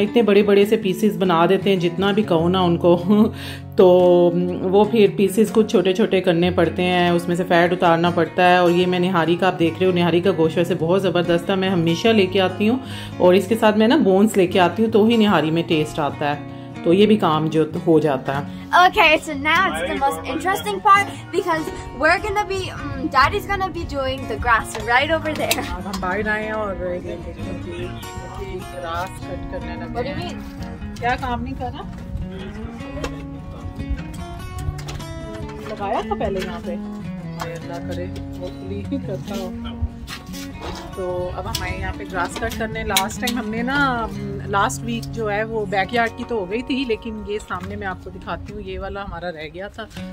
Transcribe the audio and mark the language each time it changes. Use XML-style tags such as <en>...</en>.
<hi>इतने बड़े बड़े से पीसेस बना देते हैं, जितना भी कहो ना उनको, तो वो फिर पीसेस कुछ छोटे छोटे करने पड़ते हैं, उसमें से फैट उतारना पड़ता है. और ये मैं निहारी का, आप देख रहे हो, निहारी का गोश्त वैसे बहुत ज़बरदस्त था, मैं हमेशा लेके आती हूँ. और इसके साथ मैं ना बोन्स लेके आती हूँ, तो ही निहारी में टेस्ट आता है, तो ये भी काम जो हो जाता है.</hi> <en>Okay, so now it's the most interesting part because we're gonna be, daddy's gonna be doing the grass right over there.</en> <hi>हम बाहर आए हैं और ग्रास कट करने लगे.</hi> <en>What do you mean?</en> <hi>क्या काम नहीं करा? लगाया था पहले यहाँ पे. अल्लाह करे, hopefully करता हो. तो अब हमारे यहाँ पे ग्रास कट करने, लास्ट टाइम हमने ना लास्ट वीक जो है वो बैकयार्ड की तो हो गई थी, लेकिन ये सामने मैं आपको दिखाती हूँ, ये वाला हमारा रह गया था.</hi>